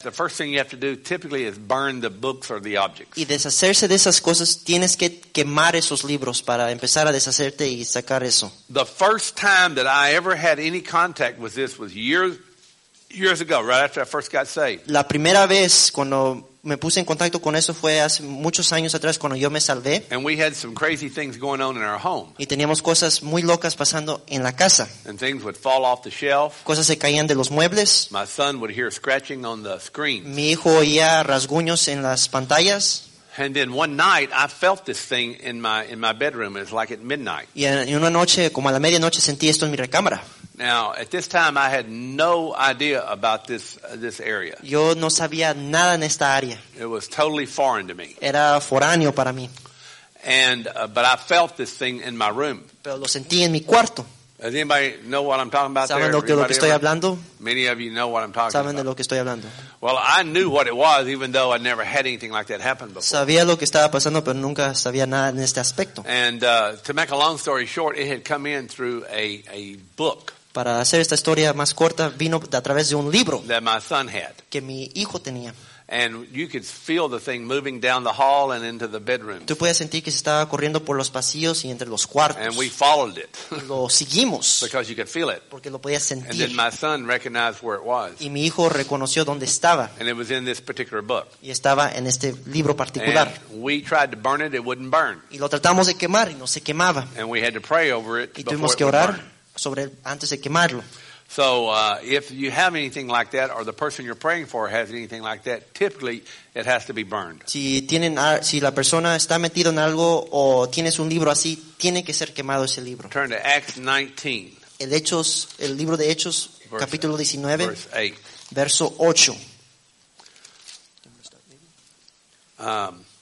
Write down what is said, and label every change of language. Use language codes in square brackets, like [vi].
[en] The first thing you have to do typically is burn the books or the objects. [es] Y deshacerse de esas cosas, tienes que quemar esos libros para empezar a deshacerte y sacar eso. [en] The first time that I ever had any contact with this was years ago, right after I first got saved. [es] La primera vez cuando me puse en contacto con eso fue hace muchos años atrás cuando yo me salvé. [en] And we had some crazy things going on in our home. [es] Y teníamos cosas muy locas pasando en la casa. [en] And things would fall off the shelf. [es] Cosas se caían de los muebles. [en] My son would hear scratching on the screen. [es] Mi hijo oía rasguños en las pantallas. [en] And then one night I felt this thing in my bedroom. It's like at midnight. [es] Y en una noche, como a la medianoche, sentí esto en mi recámara. [en] Now, at this time, I had no idea about this area. [es] Yo no sabía nada en esta área. [en] It was totally foreign to me. [es] Era foráneo para mí. [en] But I felt this thing in my room. [es] Pero lo sentí en mi cuarto. [en] Does anybody know what I'm talking about? [es] ¿Saben [en] there? [es] ¿Saben de lo que estoy hablando? [en] Many of you know what I'm talking [es] ¿saben [en] about. [es] ¿Saben de lo que estoy hablando? [en] Well, I knew what it was, even though I never had anything like that happen before. [es] Sabía lo que estaba pasando, pero nunca sabía nada en este aspecto. [en] And to make a long story short, it had come in through a book. [es] Para hacer esta historia más corta, vino a través de un libro [en] that my son had. [es] Que mi hijo tenía. [en] And you could feel the thing moving down the hall and into the bedroom. [es] Tú podías sentir que se estaba corriendo por los pasillos y entre los cuartos. [en] And we followed it. [es] Lo seguimos. [en] Because you could feel it. [es] Porque lo podías sentir. [en] And then my son recognized where it was. [es] Y mi hijo reconoció dónde estaba. [en] And it was in this particular book. [es] Y estaba en este libro particular. [en] And we tried to burn it; it wouldn't burn. [es] Y lo tratamos de quemar y no se quemaba. [en] And we had to pray over it. [es] Y tuvimos que orar sobre él antes de quemarlo. [en] So if you have anything like that, or the person you're praying for has anything like that, typically it has to be burned. [es] Si la persona está metido en algo o tienes un libro así, tiene que ser quemado ese libro. [en] Turn to Acts 19. [es] El libro de Hechos, capítulo 19, [en] verse 8.